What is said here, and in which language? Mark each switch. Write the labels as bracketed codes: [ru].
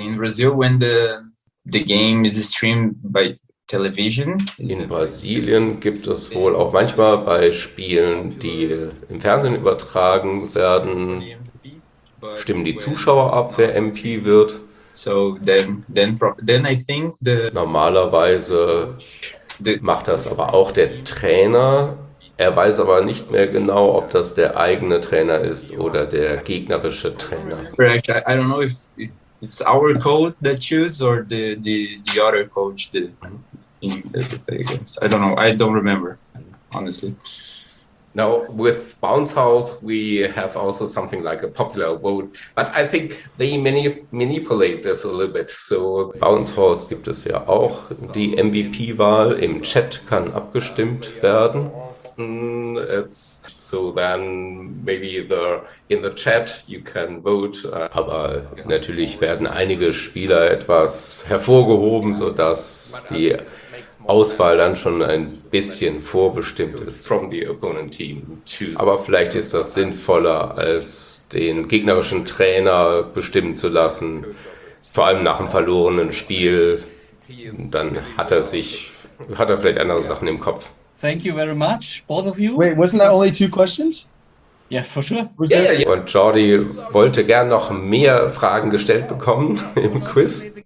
[en] In Brazil, when the game is streamed by television. [de] In Brasilien gibt es wohl auch manchmal bei Spielen, die im Fernsehen übertragen werden, stimmen die Zuschauer ab, wer MVP wird. [en] So then I think the [de] normalerweise macht das aber auch der Trainer. Er weiß aber nicht mehr genau, ob das der eigene Trainer ist oder der gegnerische Trainer. [en] I don't know if it's our coach that chooses or the other coach that I don't remember honestly. Now, with Bounce House, we have also something like a popular vote, but I think they manipulate this a little bit. [de] So, Bounce House gibt es ja auch. Die MVP-Wahl im Chat kann abgestimmt werden. [en] It's, so then maybe in the chat you can vote. [de] Aber natürlich werden einige Spieler etwas hervorgehoben, sodass die Auswahl dann schon ein bisschen vorbestimmt ist. [en] From the opponent team. [de] Aber vielleicht ist das sinnvoller, als den gegnerischen Trainer bestimmen zu lassen. Vor allem nach einem verlorenen Spiel. Dann hat er vielleicht andere Sachen im Kopf. [en] Thank you very much, both of you. Wait, wasn't that only two questions? Yeah, for sure. Yeah. [de] Und Jordi wollte gern noch mehr Fragen gestellt bekommen im Quiz.